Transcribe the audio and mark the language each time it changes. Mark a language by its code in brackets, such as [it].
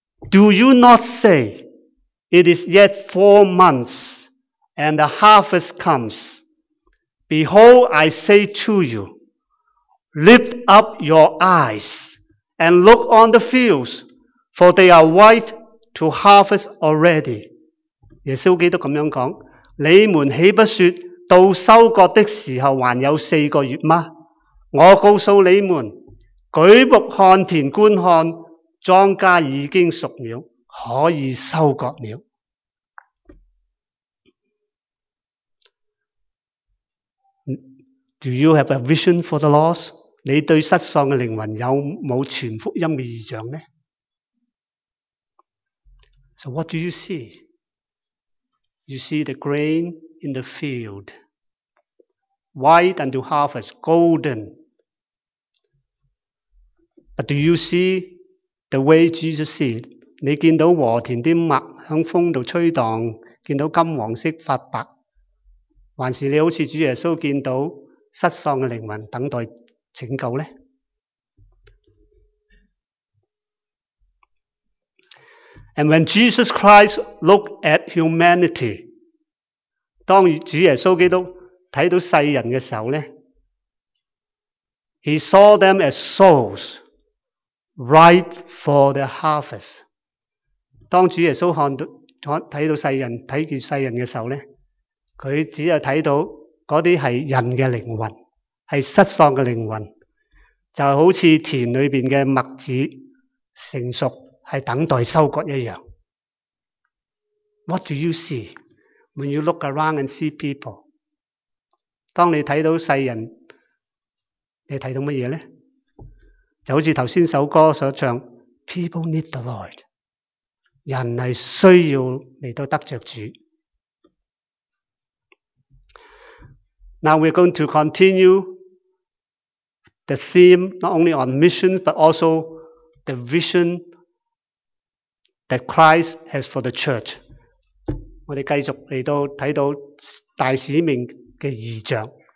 [en] Do you not say, it is yet 4 months, and the harvest comes? Behold, I say to you, lift up your eyes, and look on the fields, for they are white to harvest already. [zh] 耶稣基督这样讲，你们岂不说，到收割的时候还有四个月吗？我告诉你们，举目看田观看，庄稼已经熟了，可以收割了。 [en] Do you have a vision for the lost? [zh] 你对失丧的灵魂有没有全福音的异象呢？ [en] So what do you see? You see the grain in the field. White unto harvest, golden. But do you see the way Jesus see it? [zh] 你见到和田的麦在风里吹荡，见到金黄色发白，还是你好像主耶稣见到失丧的灵魂等待拯救呢？ [en] And when Jesus Christ looked at humanity, [zh] 当主耶稣基督看到世人的时候呢， [en] He saw them as souls ripe for the harvest. [zh] 当主耶稣看到睇到世人，睇见世人的时候呢，他只有看到那些是人的灵魂，是失丧的灵魂，就好像田里面的麦子成熟，是等待收割一样。 [en] What do you see when you look around and see people? [zh] 当你看到世人，你看到什么呢？就好像刚才首歌所唱， [en] People need the Lord. [zh] 人是需要来到得着主。 [en] Now we're going to continue the theme, not only on mission, but also the vision that Christ has for the church. [zh] 我们继续来到看到大使命的异象。